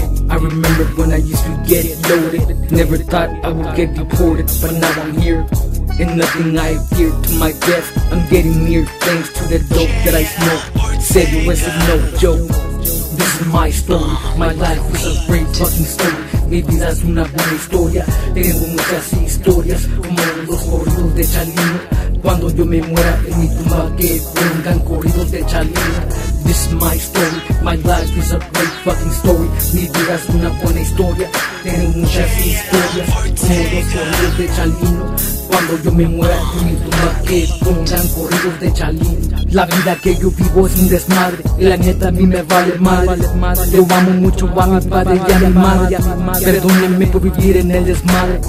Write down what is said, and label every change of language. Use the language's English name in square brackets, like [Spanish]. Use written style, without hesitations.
[English] I remember when I used to get loaded. Never thought I would get deported, but now I'm here. And nothing I fear to my death. I'm getting near thanks to the dope that I smoke. Said it was no joke. This is my story. My life was a great fucking story. Maybe that's [Spanish] una buena historia. Tengo muchas historias, como los corridos de Chalino. Cuando yo me muera en mi tumba, que vengan corridos de Chalino. [English] This is my story, my life is a great fucking story. [Spanish] Mi vida es una buena historia, tengo muchas historias. Como los corridos de Chalino. Cuando yo me muera en mi tumba, que pongan corridos de Chalino. La vida que yo vivo es un desmadre, y la neta a mí me vale madre. Yo amo mucho a mi padre y a mi madre. Perdónenme por vivir en el desmadre.